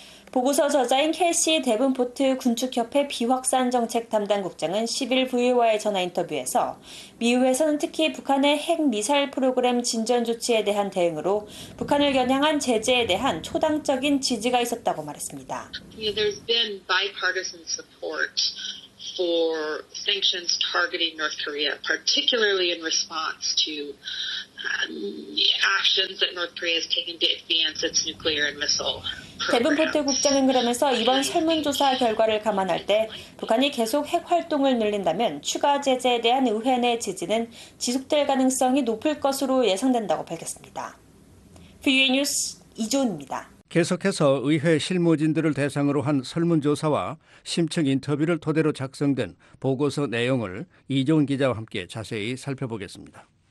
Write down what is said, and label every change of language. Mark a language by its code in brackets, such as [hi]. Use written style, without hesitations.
[ko] 보고서 저자인 캐시 데븐포트 군축협회 비확산 정책 담당 국장은 10일 VOA와의 전화 인터뷰에서 미국에서는 특히 북한의 핵미사일 프로그램 진전 조치에 대한 대응으로 북한을 겨냥한 제재에 대한 초당적인 지지가 있었다고 말했습니다. [en] There's been bipartisan support for sanctions targeting North Korea, particularly in response to actions that North Korea has taken to advance its nuclear and missile. [ko] 데븐포트 국장은 그러면서 이번 설문조사 결과를 감안할 때 북한이 계속 핵 활동을 늘린다면 추가 제재에 대한 의회 내 지지는 지속될 가능성이 높을 것으로 예상된다고 밝혔습니다. VOA 뉴스 이조은입니다. 계속해서 의회 실무진들을 대상으로 한 설문조사와 심층 인터뷰를 토대로 작성된 보고서 내용을 이종 기자와 함께 자세히 살펴보겠습니다.